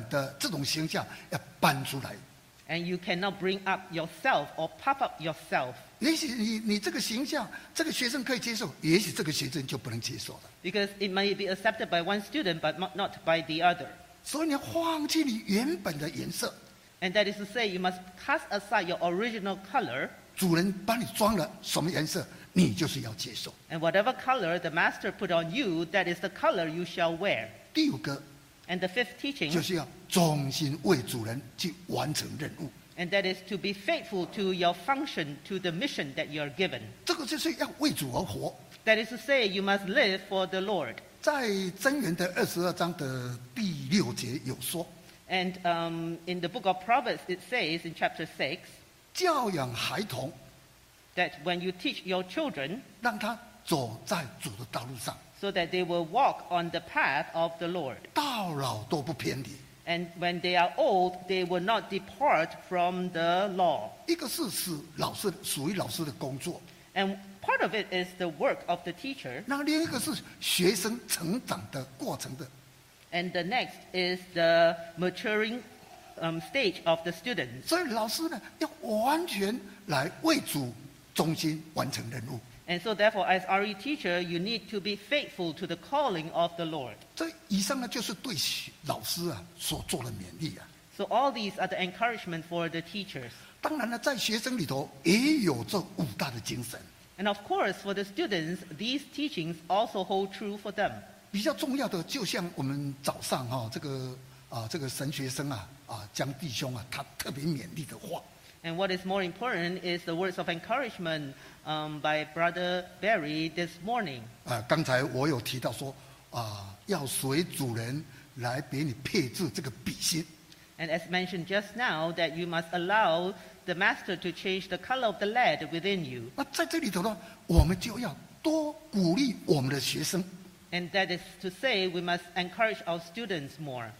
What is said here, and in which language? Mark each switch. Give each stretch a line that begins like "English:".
Chinese: 绝对不能把我原本的这种形象要搬出来。
English: And you cannot bring up yourself or pop up yourself.
Chinese: 也许你这个形象，这个学生可以接受，也许这个学生就不能接受了。
English: Because it might be accepted by one student, but not by the other.
Chinese: 所以你要放弃你原本的颜色。
English: And that is to say, you must cast aside your original color.
Chinese: 主人把你装了什么颜色，你就是要接受。
English: And whatever color the master put on you, that is the color you shall wear.
Chinese: 第五个。
English: And the fifth teaching.
Chinese: 就是要忠心为主人去完成任务。
English: And that is to be faithful to your function, to the mission that you are given.
Chinese: 这个就是要为主而活。
English: That is to say, you must live for the Lord.
Chinese: 在箴言的22章的第6节有说。
English: And in the book of Proverbs, it says in chapter 6.
Chinese: 教养孩童,
English: that when you teach your children,
Chinese: 让他走在主的道路上,
English: so that they will walk on the path of the Lord.
Chinese: 到老都不偏离,
English: and when they are old, they will not depart from the law.
Chinese: 一个是使老师, 属于老师的工作,
English: and part of it is the work of the teacher.
Chinese: 那另一个是学生成长的过程的,
English: and the next is the maturing stage of the student.
Chinese: 所以老师呢, 要完全来为主忠心完成任务。
English: And so therefore, as RE teacher, you need to be faithful to the calling of the Lord.
Chinese: 这以上呢就是对老师啊所做的勉励啊。
English: So all these are the encouragement for the teachers.
Chinese: 当然呢在学生里头也有这五大的精神。
English: And of course, for the students, these teachings also hold true for them.
Chinese: 比较重要的就像我们早上这个神学生啊江弟兄啊他特别勉励的话。
English: And what is more important is the words of encouragement by Brother Barry this morning.
Chinese: 刚才我有提到说，要随主人来给你配置这个笔芯。
English: And as mentioned just now, that you must allow the master to change the color of the lead within you.
Chinese: 那在这里头呢，我们就要多鼓励我们的学生。
English: And that is to say, we must encourage our students more.